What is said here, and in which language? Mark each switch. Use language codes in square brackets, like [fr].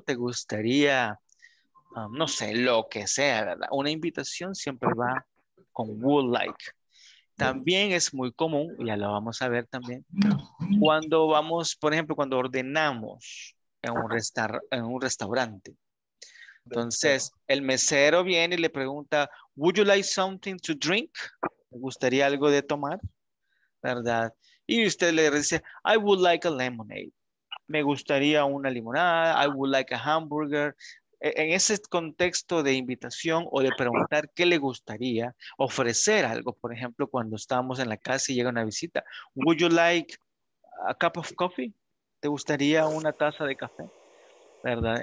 [es] Te gustaría, no sé, lo que sea, ¿verdad? Una invitación siempre va con would like. También es muy común, ya lo vamos a ver también, cuando vamos, por ejemplo, cuando ordenamos en un, restaurante. Entonces, el mesero viene y le pregunta, [en] would you like something to drink? [es] ¿Me gustaría algo de tomar? ¿Verdad? Y usted le dice, [en] I would like a lemonade. [es] Me gustaría una limonada. [en] I would like a hamburger. [es] En ese contexto de invitación o de preguntar qué le gustaría ofrecer algo. Por ejemplo, cuando estamos en la casa y llega una visita. [en] Would you like a cup of coffee? [es] ¿Te gustaría una taza de café? ¿Verdad?